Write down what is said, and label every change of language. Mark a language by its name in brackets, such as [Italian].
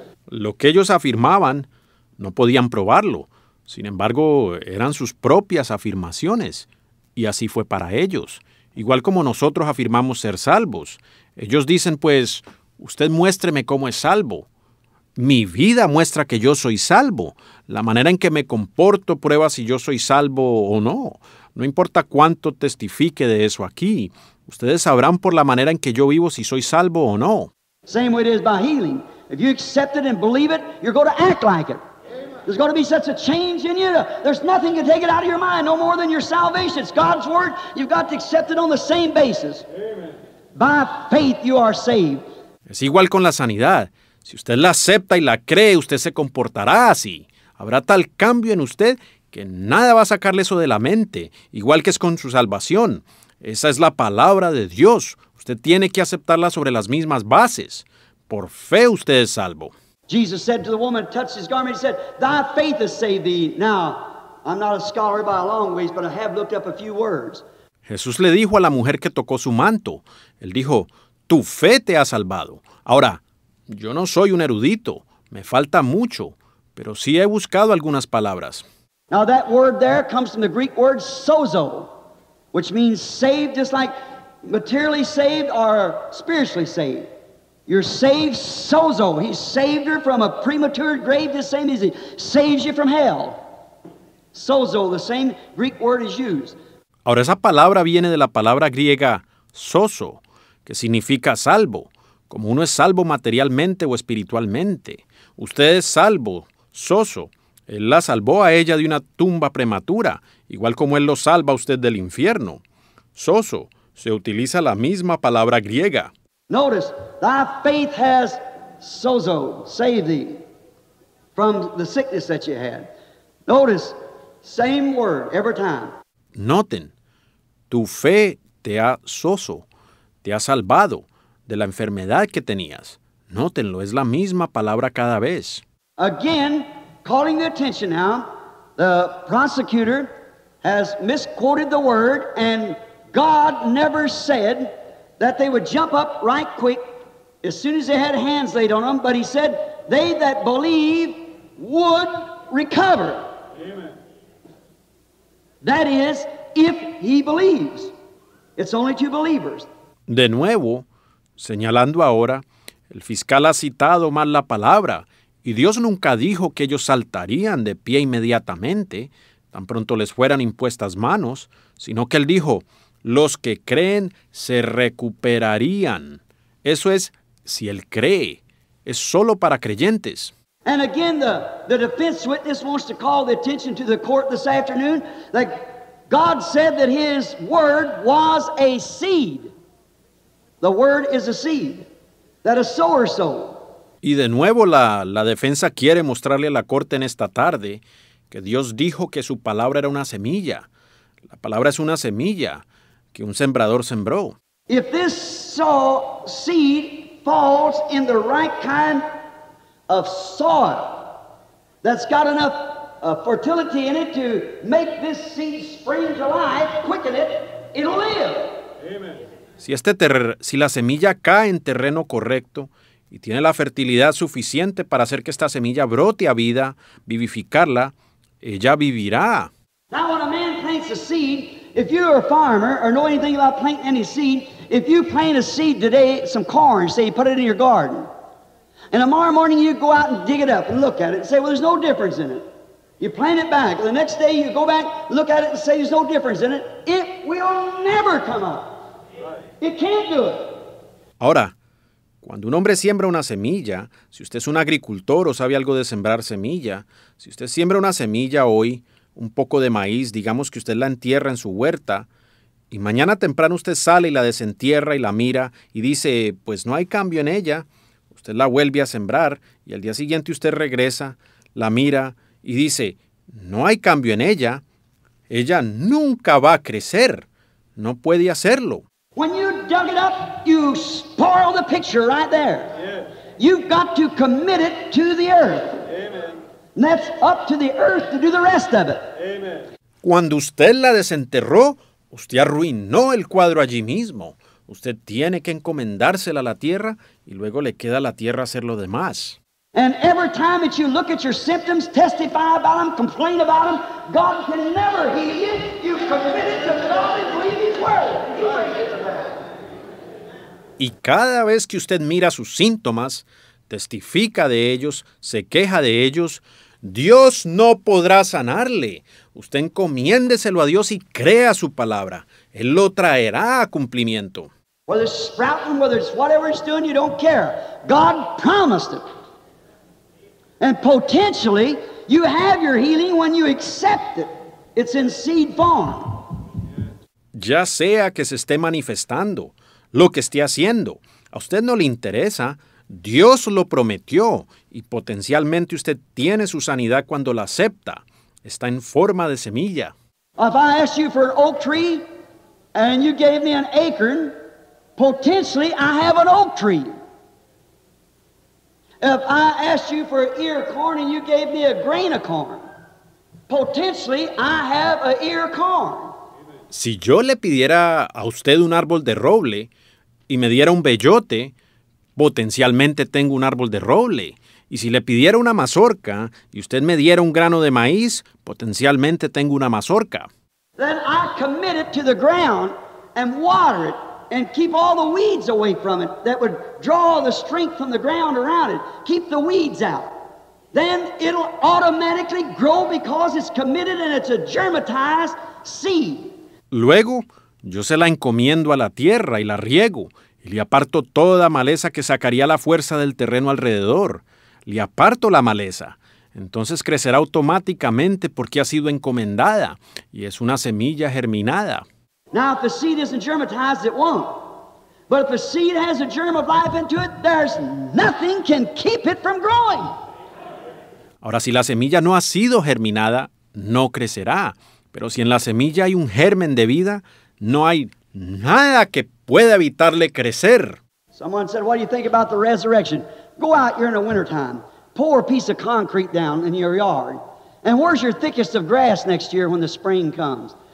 [Spanish] Lo que ellos afirmaban, no podían probarlo. Sin embargo, eran sus propias afirmaciones. Y así fue para ellos. Igual como nosotros afirmamos ser salvos. Ellos dicen, pues, usted muéstreme cómo es salvo. Mi vida muestra que yo soy salvo. La manera en que me comporto prueba si yo soy salvo o no. No importa cuánto testifique de eso aquí. Ustedes sabrán por la manera en que yo vivo si soy salvo o no. [English] Same way it is by healing. If you accept it and believe it, you're going to act like it. There's going to be such a change in you. There's nothing to take it out of your mind, no more than your salvation. It's God's word. You've got to accept it on the same basis. Amen. By faith you are saved. [Spanish] Es igual con la sanidad. Si usted la acepta y la cree, usted se comportará así. Habrá tal cambio en usted que nada va a sacarle eso de la mente, igual que es con su salvación. Esa es la palabra de Dios. Usted tiene que aceptarla sobre las mismas bases. Por fe usted es salvo. [English] Jesus said to the woman, touched his garment, he said, thy faith has saved thee. Now, I'm not a scholar by a long ways, but I have looked up a few words. [Spanish] Jesús le dijo a la mujer que tocó su manto. Él dijo, tu fe te ha salvado. Ahora, yo no soy un erudito. Me falta mucho. Pero sí he buscado algunas palabras. [English] Now that word there comes from the Greek word sozo, which means saved, just like materially saved or spiritually saved. You're saved sozo. He saved her from a premature grave the same as he saves you from hell. Sozo, the same Greek word is used. [Spanish] Ahora, esa palabra viene de la palabra griega sozo, que significa salvo, como uno es salvo materialmente o espiritualmente. Usted es salvo, sozo. Él la salvó a ella de una tumba prematura, igual como él lo salva a usted del infierno. Sozo, se utiliza la misma palabra griega. [English] Notice, thy faith has sozo, saved thee from the sickness that you had. Notice, same word every time. [Spanish] Noten, tu fe te ha sozo, te ha salvado de la enfermedad que tenías. Nótenlo, es la misma palabra cada vez. [English] Again, calling the attention now, the prosecutor has misquoted the word, and God never said that they would jump up right quick as soon as they had hands laid on them, but he said they that believe would recover. That is, if he believes. It's only two believers. [Spanish] De nuevo, señalando ahora, el fiscal ha citado mal la palabra, y Dios nunca dijo que ellos saltarían de pie inmediatamente, tan pronto les fueran impuestas manos, sino que él dijo, los que creen se recuperarían. Eso es, si él cree, es solo para creyentes. [English] And again, the defense witness wants to call the attention to the court this afternoon that God said that his word was a seed. The word is a seed that a sower sowed. [Spanish] Y de nuevo, la defensa quiere mostrarle a la corte en esta tarde que Dios dijo que su palabra era una semilla. La palabra es una semilla que un sembrador sembró. [English] If this seed falls in the right kind of soil that's got enough fertility in it to make this seed spring to life, quicken it, it'll live. Amen. [Spanish] Si la semilla cae en terreno correcto y tiene la fertilidad suficiente para hacer que esta semilla brote a vida, vivificarla, ella vivirá. [English] Now when a man plants a seed, if you're a farmer or know anything about planting any seed, if you plant a seed today, some corn, say you put it in your garden, and tomorrow morning you go out and dig it up and look at it and say, well, there's no difference in it. You plant it back. The next day you go back, look at it and say, there's no difference in it. It will never come up. It can't do it. [Spanish] Ahora, cuando un hombre siembra una semilla, si usted es un agricultor o sabe algo de sembrar semilla, si usted siembra una semilla hoy, un poco de maíz, digamos que usted la entierra en su huerta, y mañana temprano usted sale y la desentierra y la mira y dice, pues no hay cambio en ella. Usted la vuelve a sembrar y al día siguiente usted regresa, la mira y dice, no hay cambio en ella. Ella nunca va a crecer. No puede hacerlo. [English] When you dug it up, you spoil the picture right there. Yes. You've got to commit it to the earth. Amen. And that's up to the earth to do the rest of it. Amen. [Spanish] Cuando usted la desenterró, usted arruinó el cuadro allí mismo. Usted tiene que encomendársela a la tierra y luego le queda a la tierra hacer lo demás. [English] And every time that you look at your symptoms, testify about them, complain about them, God can never heal you. You've committed to God and believe His word. [Spanish] Y cada vez que usted mira sus síntomas, testifica de ellos, se queja de ellos, Dios no podrá sanarle. Usted encomiéndeselo a Dios y crea su palabra. Él lo traerá a cumplimiento. [English] Whether it's sprouting, whether it's whatever it's doing, you don't care. God promised it. And potentially, you have your healing when you accept it. It's in seed form. [Spanish] Ya sea que se esté manifestando, lo que esté haciendo, a usted no le interesa. Dios lo prometió y potencialmente usted tiene su sanidad cuando la acepta. Está en forma de semilla. [English] If I ask you for an oak tree, and you gave me an acorn, potentially I have an oak tree. If I asked you for an ear of corn and you gave me a grain of corn, potentially I have an ear of corn. [Spanish] Si yo le pidiera a usted un árbol de roble y me diera un bellote, potencialmente tengo un árbol de roble. Y si le pidiera una mazorca y usted me diera un grano de maíz, potencialmente tengo una mazorca. [English] Then I commit it to the ground and water it and keep all the weeds away from it that would draw the strength from the ground around it. Keep the weeds out. Then it'll automatically grow because it's committed and it's a germatized seed. [Spanish] Luego, yo se la encomiendo a la tierra y la riego y le aparto toda maleza que sacaría la fuerza del terreno alrededor. Le aparto la maleza. Entonces crecerá automáticamente porque ha sido encomendada y es una semilla germinada. [English] Now, if the seed isn't germatized, it won't. But if the seed has a germ of life into it, there's nothing can keep it from growing. [Spanish] Ahora, si la semilla no ha sido germinada, no crecerá. Pero si en la semilla hay un germen de vida, no hay nada que pueda evitarle crecer. [English] Someone said, what do you think about the resurrection? Go out here in the wintertime, pour a piece of concrete down in your yard, and where's your thickest of grass next year when the spring comes?